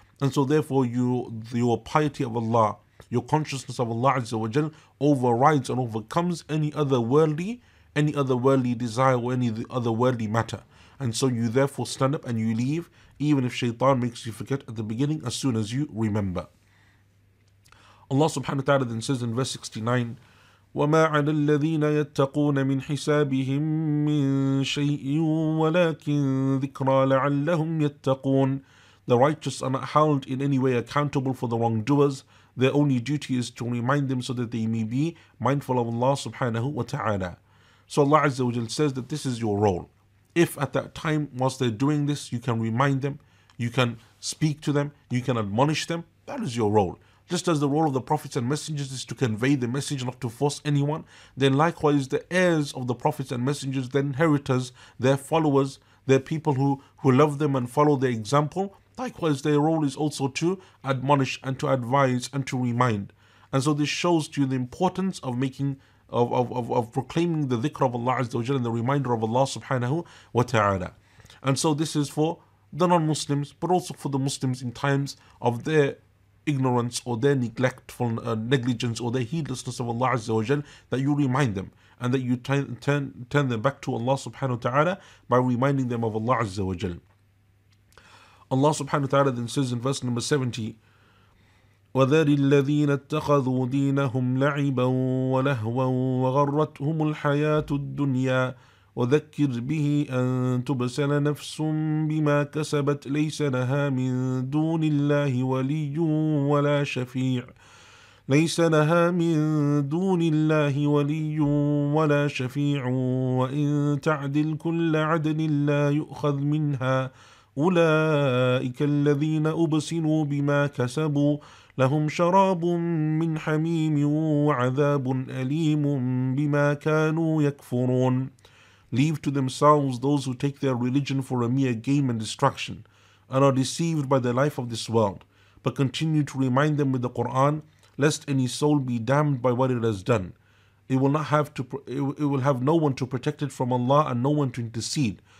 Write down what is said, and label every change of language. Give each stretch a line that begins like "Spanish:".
English: And so therefore your piety of Allah, your consciousness of Allah Azza wa Jal, overrides and overcomes any other worldly desire or any other worldly matter. And so you therefore stand up and you leave, even if shaitan makes you forget at the beginning, as soon as you remember. Allah subhanahu wa ta'ala then says in verse 69,
Arabic: وَمَا عَلَى الَّذِينَ يَتَّقُونَ مِنْ حِسَابِهِمْ مِنْ شَيْءٍ وَلَكِنْ ذِكْرَى لَعَلَّهُمْ يَتَّقُونَ.
English: The righteous are not held in any way accountable for the wrongdoers. Their only duty is to remind them so that they may be mindful of Allah subhanahu wa ta'ala. So Allah Azza wa Jal says that this is your role. If at that time, whilst they're doing this, you can remind them, you can speak to them, you can admonish them, that is your role. Just as the role of the prophets and messengers is to convey the message, not to force anyone, then likewise the heirs of the prophets and messengers, their inheritors, their followers, their people who love them and follow their example, likewise their role is also to admonish and to advise and to remind. And so this shows to you the importance of making of proclaiming the dhikr of Allah Azza wa Jalla and the reminder of Allah subhanahu wa ta'ala. And so this is for the non-Muslims, but also for the Muslims in times of their ignorance or their neglectful negligence or their heedlessness of Allah Azza wa Jal, that you remind them and that you turn them back to Allah subhanahu wa ta'ala by reminding them of Allah Azza wa Jal. Allah subhanahu wa ta'ala then says in verse number 70,
Arabic: وَذَرِ الَّذِينَ اتَّخَذُوا دِينَهُمْ لَعِبًا وَلَهْوًا وَغَرَّتْهُمُ الْحَيَاةُ الدُّنْيَا وَذَكِّرْ بِهِ أَن تُبْسَلَ نَفْسٌ بِمَا كَسَبَتْ لَيْسَ لَهَا مِن دُونِ اللَّهِ وَلِيٌّ وَلَا شَفِيعٌ لَيْسَ لَهَا مِن دُونِ اللَّهِ وَلِيٌّ وَلَا شَفِيعٌ وَإِن تَعْدِلْ كُلَّ عَدْلٍ لَّا يُؤْخَذْ مِنْهَا أولئك الذين أبسلوا بما كسبوا لهم شراب من حميم وعذاب أليم بما كانوا يكفرون.
English: Leave to themselves those who take their religion for a mere game and distraction and are deceived by the life of this world, but continue to remind them with the Quran, lest any soul be damned by what it has done. It will have no one to protect it from Allah and no one to intercede.